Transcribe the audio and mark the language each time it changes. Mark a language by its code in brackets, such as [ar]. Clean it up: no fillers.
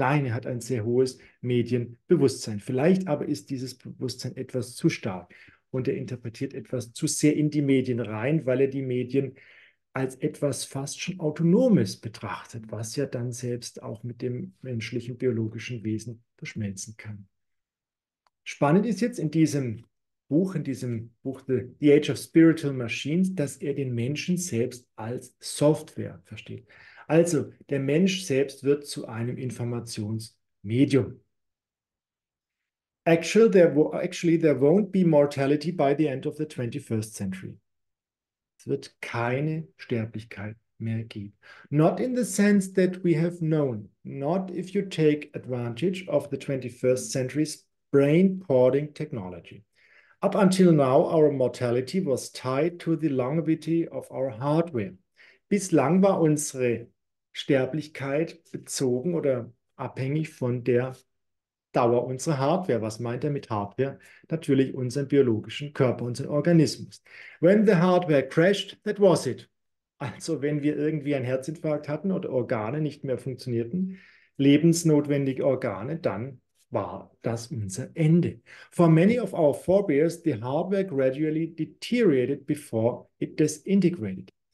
[de] Nein, er hat ein sehr hohes Medienbewusstsein. Vielleicht aber ist dieses Bewusstsein etwas zu stark und er interpretiert etwas zu sehr in die Medien rein, weil er die Medien als etwas fast schon Autonomes betrachtet, was ja dann selbst auch mit dem menschlichen biologischen Wesen verschmelzen kann. Spannend ist jetzt in diesem Buch The Age of Spiritual Machines, dass er den Menschen selbst als Software versteht. Also der Mensch selbst wird zu einem Informationsmedium. [en] Actually, there won't be mortality by the end of the 21st century. [de] Wird keine Sterblichkeit mehr geben. [en] Not in the sense that we have known. Not if you take advantage of the 21st century's brain-porting technology. Up until now, our mortality was tied to the longevity of our hardware. [de] Bislang war unsere Sterblichkeit bezogen oder abhängig von der Dauer unserer Hardware. Was meint er mit Hardware? Natürlich unseren biologischen Körper, unseren Organismus. [en] When the hardware crashed, that was it. [de] Also wenn wir irgendwie einen Herzinfarkt hatten oder Organe nicht mehr funktionierten, lebensnotwendige Organe, dann war das unser Ende. [en] For many of our forebears, the hardware gradually deteriorated before it disintegrated.